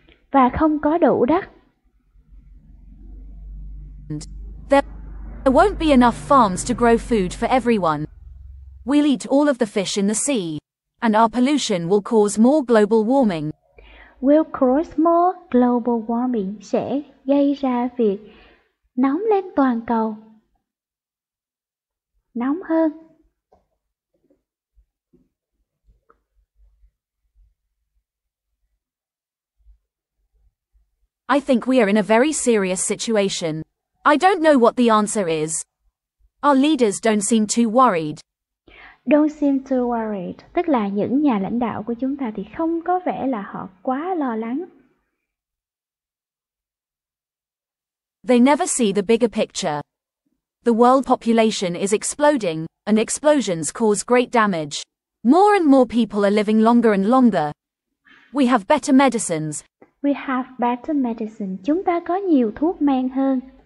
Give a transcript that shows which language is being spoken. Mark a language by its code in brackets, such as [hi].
[vi] Và không có đủ đất. [en] And there won't be enough farms to grow food for everyone. We'll eat all of the fish in the sea, and our pollution will cause more global warming. Will cause more global warming, [vi] sẽ gây ra việc nóng lên toàn cầu. Nóng hơn. [en] I think we are in a very serious situation. I don't know what the answer is. Our leaders don't seem too worried. Don't seem too worried, [vi] tức là những nhà lãnh đạo của chúng ta thì không có vẻ là họ quá lo lắng. [en] They never see the bigger picture. The world population is exploding, and explosions cause great damage. More and more people are living longer and longer. We have better medicines. We have better medicine. [vi] Chúng ta có nhiều thuốc men hơn.